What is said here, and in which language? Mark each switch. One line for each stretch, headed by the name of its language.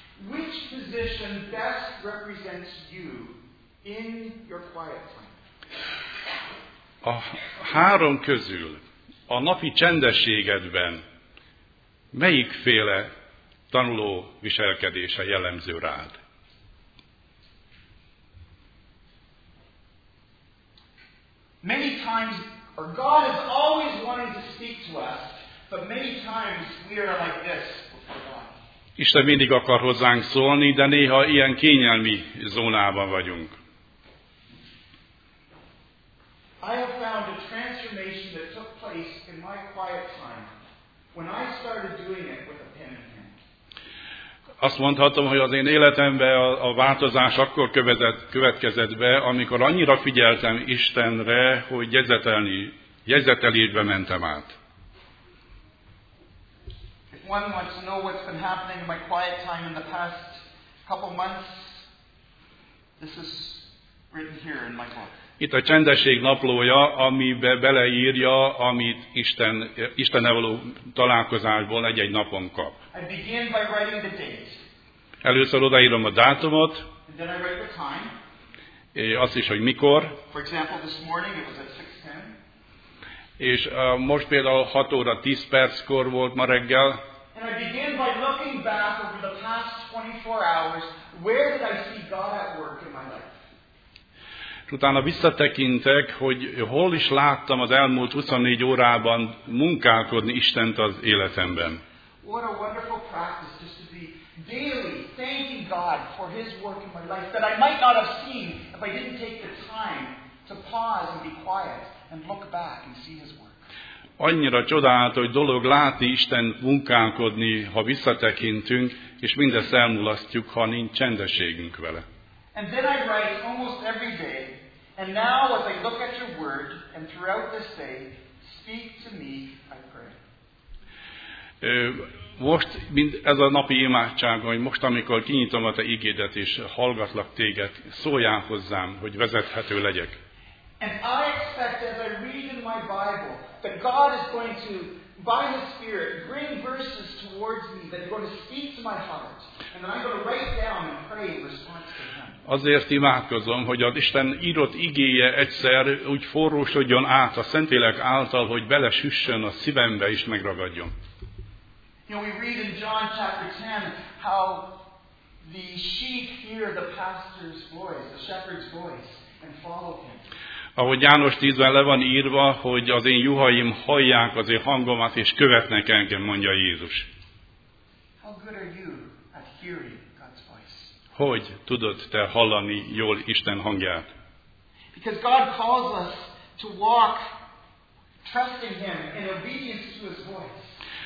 English: Which position best represents you in your quiet time?
Hungarian: A három közül a napi csendességedben melyikféle tanuló viselkedése jellemző rád?
English: Many times, or God is always wanting to speak to us, but many times we are like this before God.
Hungarian: Isten mindig akar hozzánk szólni, de néha ilyen kényelmi zónában vagyunk.
English: I have found a transformation that took place in my quiet time when I started doing it with a pen in hand.
Hungarian: Azt mondhatom, hogy az én életemben a változás akkor következett be, amikor annyira figyeltem Istenre, hogy jegyzetelésbe mentem át.
English: If one wants to know what's been happening in my quiet time in the past couple months, this is written here in my book.
Hungarian: Itt a csendesség naplója, amibe beleírja, amit Istennel való találkozásból egy-egy napon kap.
English: I begin by writing the date.
Hungarian: Először odaírom a dátumot.
English: And then I write the time.
Hungarian: És azt is, hogy mikor.
English: For example, this morning it was at 6:10.
Hungarian: És most például 6 óra 10 perckor volt ma reggel.
English: And I began by looking back over the past 24 hours, where did I see God at work in my life?
Hungarian: Utána visszatekintek, hogy hol is láttam az elmúlt 24 órában munkálkodni Istent az életemben.
English: What a wonderful practice just to be daily thanking God for His work in my life that I might not have seen if I didn't take the time to pause and be quiet and look back and see His work.
Hungarian: Annyira csodálatos, hogy dolog látni Isten munkálkodni, ha visszatekintünk, és mindezt elmulasztjuk, ha nincs csendességünk vele.
English: And then I write almost every day, and now as I look at your word, and throughout this day, speak to me, I pray.
Hungarian: Most, mint ez a napi imádság, hogy most, amikor kinyitom a te igédet, és hallgatlak téged, szóljál hozzám, hogy vezethető legyek.
English: And I expect as I read in my Bible, that God is going to, by His Spirit, bring verses towards me, that are going to speak to my heart, and then I'm going to write down and pray in response to Him.
Hungarian: Azért imádkozom, hogy az Isten írott igéje egyszer úgy forrósodjon át a Szentlélek által, hogy belesüssön a szívembe és megragadjon.
English: You know, we read in John chapter 10 how the sheep hear the pastor's voice, the shepherd's voice and follow him.
Hungarian: Ahogy János 10-ben le van írva, hogy az én juhaim hallják az én hangomat és követnek engem, mondja Jézus.
English: How good are you at hearing?
Hungarian: Hogy tudod te hallani jól Isten hangját?
English: Because God calls us to walk trusting Him in obedience to His voice.